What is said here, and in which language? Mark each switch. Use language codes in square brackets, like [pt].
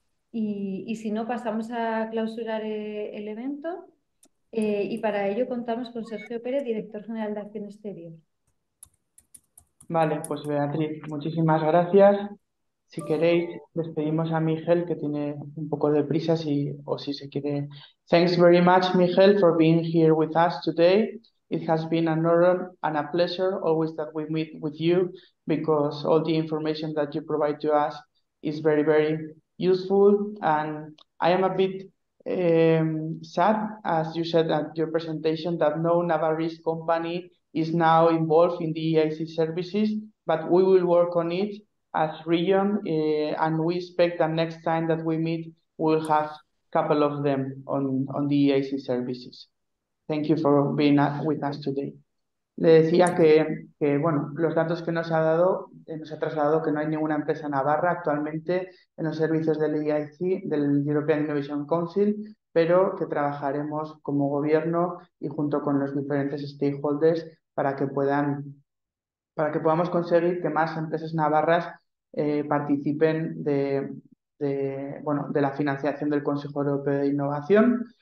[es] Y si no, pasamos a clausurar el evento. Y para ello contamos con Sergio Pérez, director general de Acción Exterior. Vale, pues Beatriz, muchísimas gracias. Si queréis, despedimos a Miguel, que tiene un poco de prisa, si se quiere. [en] Thanks very much, Miguel, for being here with us today. It has been an honor and a pleasure always that we meet with you, because all the information that you provide to us is very, very useful. And I am a bit sad, as you said at your presentation, that no Navarrese company is now involved in the EIC services, but we will work on it as region, and we expect that next time that we meet, we'll have a couple of them on the EIC services. Thank you for being with us today. [es] Le decía que bueno, los datos que nos ha dado, nos ha trasladado que no hay ninguna empresa navarra actualmente en los servicios del EIC, del European Innovation Council, pero que trabajaremos como gobierno y junto con los diferentes stakeholders para que podamos conseguir que más empresas navarras participen de la financiación del Consejo Europeo de Innovación.